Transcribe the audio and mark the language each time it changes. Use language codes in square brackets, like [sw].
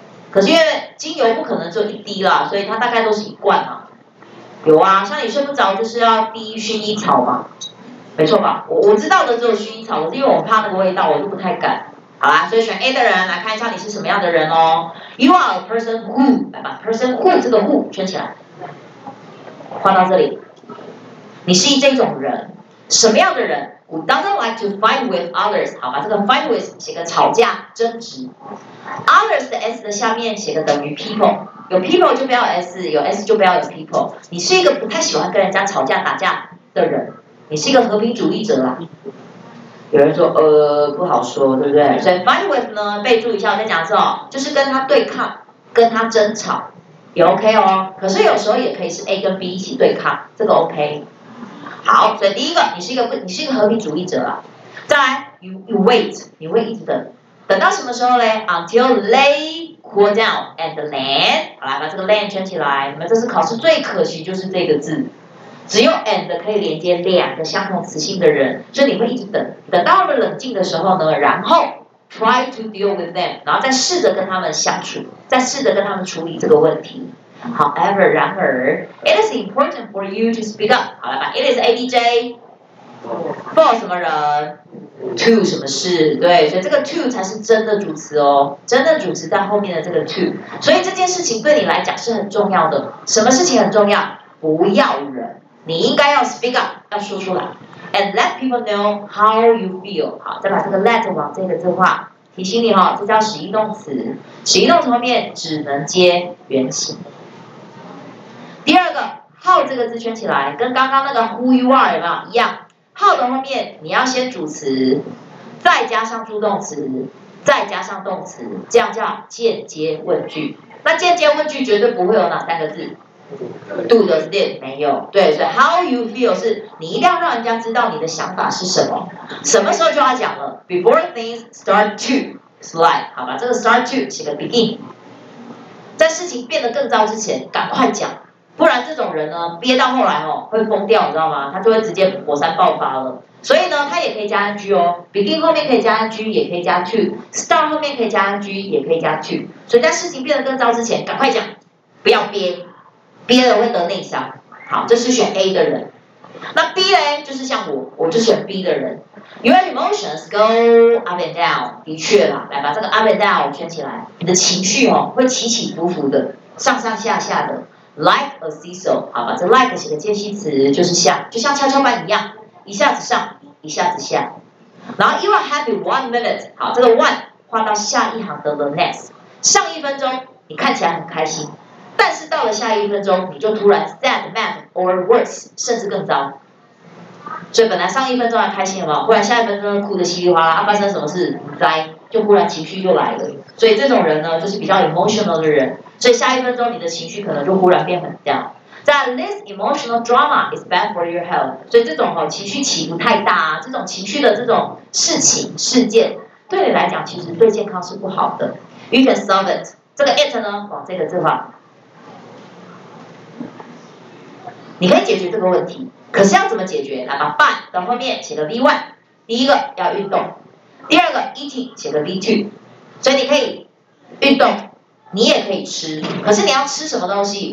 [zh] 可是因为精油不可能只有一滴啦，所以它大概都是一罐嘛。有啊，像你睡不着就是要滴薰衣草嘛，没错吧？我知道的只有薰衣草，我是因为我怕那个味道，我就不太敢。好啦，所以选 A 的人来看一下你是什么样的人哦。 [en] You are a person who， [zh] 来吧 [en] ，person who 这个 who [zh] 圈起来，画到这里。你是这种人，什么样的人 ？ [en] Who doesn't like to fight with others？ [zh] 好，把这个 fight with 写个吵架、争执。Others 的 s 的下面写个等于 people， 有 people 就不要 s， 有 s 就不要有 people。你是一个不太喜欢跟人家吵架打架的人，你是一个和平主义者啦。有人说，不好说，对不对？所以 fight with 呢，备注一下，我再讲一次哦，就是跟他对抗，跟他争吵，也 OK 哦。可是有时候也可以是 A 跟 B 一起对抗，这个 OK。好，所以第一个，你是一个和平主义者啊。再来， [en] you wait， [zh] 你会一直等，等到什么时候呢？ [en] Until they cool down and land， [zh] 好啦， [en] 把这个 land [zh] 圈起来。你们这次考试最可惜就是这个字。只有 and 可以连接两个相同词性的人，所以你会一直等，等到了冷静的时候呢，然后 [en] try to deal with them， [zh] 然后再试着跟他们相处，再试着跟他们处理这个问题。 [en] However， [zh] 然而 [en] ，it is important for you to speak up。 [zh] 好了吧 [en] ，it is ABJ for [zh] 什么人 [en] ？to [zh] 什么事？对，所以这个 to 才是真的主词哦，真的主词在后面的这个 to， 所以这件事情对你来讲是很重要的。什么事情很重要？不要人。 [en] 你应该要 speak up， [zh] 要说出来 [en] ，and let people know how you feel。 [zh] 好，再把这个 let 往这个字画，提醒你哈、哦，这叫实义动词，实义动词后面只能接原形。第二个 how 这个字圈起来，跟刚刚那个 who you are 有没有一样 ？how 的后面你要先主词，再加上助动词，再加上动词，这样叫间接问句。那间接问句绝对不会有哪三个字。 [en] Do does it [zh] 没有，对，所以 how you feel 是你一定要让人家知道你的想法是什么，什么时候就要讲了 ， [en] before things start to slide， [zh] 好吧，这个 start to 写个 begin， 在事情变得更糟之前赶快讲，不然这种人呢憋到后来哦会疯掉，你知道吗？他就会直接火山爆发了，所以呢他也可以加 ing 哦 ，begin 后面可以加 ing， 也可以加 to，start 后面可以加 ing， 也可以加 to， 所以在事情变得更糟之前赶快讲，不要憋。憋了会得内伤，好，这是选 A 的人。那 B 呢？就是像我就选 B 的人。 [en] Your emotions go up and down， [zh] 的确啦， [en] 来把这个 up and down 圈起来。 [zh] 你的情绪哦，会起起伏伏的，上上下下的 ， [en] like a seesaw， [zh] 好吧，这 like 写个介系词，就是像，就像跷跷板一样，一下子上，一下子下。然后 [en] you are happy 1 minute， [zh] 好，这个 one 画到下一行的 [en] the next， [zh] 上一分钟你看起来很开心。但是到了下一分钟，你就突然 [en] sad, mad, or worse， [zh] 甚至更糟。所以本来上一分钟还开心了嘛，忽然下一分钟哭得稀里哗啦，发生什么事？灾，就忽然情绪就来了。所以这种人呢，就是比较 emotional 的人。所以下一分钟你的情绪可能就忽然变很down。 [en] That this emotional drama is bad for your health。 [zh] 所以这种哈情绪起伏太大，这种情绪的这种事情事件，对你来讲其实对健康是不好的。 [en] You can solve it。 [zh] 这个 it 呢，往这个字画。你可以解决这个问题，可是要怎么解决？来把 by 的后面写个 v1， 第一个要运动，第二个 eating 写个 v2， 所以你可以运动，你也可以吃，可是你要吃什么东西？